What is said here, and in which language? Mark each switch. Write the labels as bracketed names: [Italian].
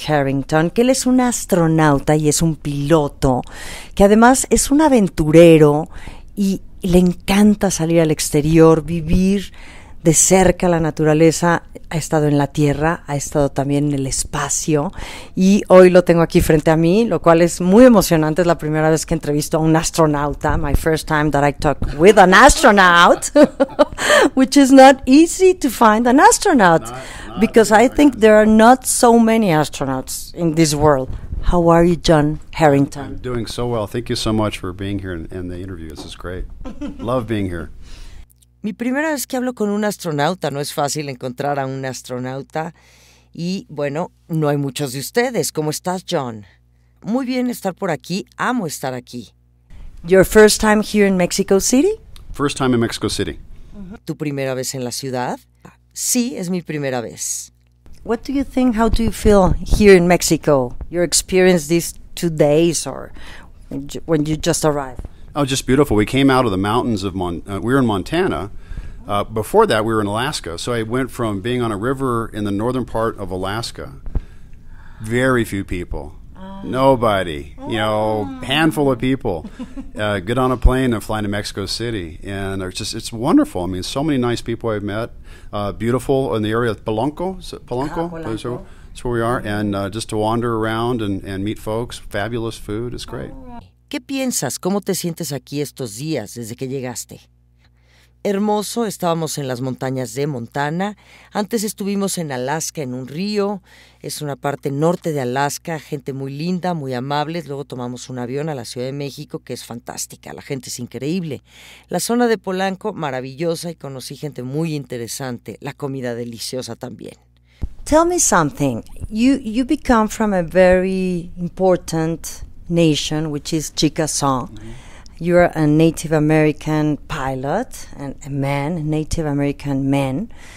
[Spanish] Herrington, que él es un astronauta y es un piloto, que además es un aventurero y le encanta salir al exterior, vivir de cerca la naturaleza. Ha estado en la Tierra, ha estado también en el espacio y hoy lo tengo aquí frente a mí, lo cual es muy emocionante. Es la primera vez que entrevisto a un astronauta. [English] My first time that I talk with an astronaut, which is not easy to find an astronaut, because I think there are not so many astronauts in this world. How are you, John Herrington? I'm doing so well. Thank you so much for being here and the interview. This is great. Love being here. [Spanish] Mi primera vez que hablo con un astronauta, no es fácil encontrar a un astronauta y bueno, no hay muchos de ustedes. ¿Cómo estás, John? Muy bien estar por aquí, amo estar aquí. [English] Your first time here in Mexico City? First time in Mexico City. [Spanish] ¿Tu primera vez en la ciudad? Sí, es mi primera vez. [English] What do you think, how do you feel here in Mexico? Your experience these 2 days or when you just arrived? Oh, just beautiful. We came out of the mountains of we were in Montana. Before that, we were in Alaska. So I went from being on a river in the northern part of Alaska. Very few people. Nobody. You know, handful of people. Get on a plane and fly to Mexico City. And it's wonderful. I mean, so many nice people I've met. Beautiful in the area of Polanco. That's where we are. And just to wander around and meet folks. Fabulous food. It's great. [Spanish] ¿Qué piensas? ¿Cómo te sientes aquí estos días desde que llegaste? Hermoso, estábamos en las montañas de Montana. Antes estuvimos en Alaska, en un río. Es una parte norte de Alaska, gente muy linda, muy amable. Luego tomamos un avión a la Ciudad de México, que es fantástica. La gente es increíble. La zona de Polanco, maravillosa, y conocí gente muy interesante. La comida deliciosa también. [English] Tell me something. You become from a very important nation, which is Chickasaw. You're a Native American pilot and a man, a Native American man.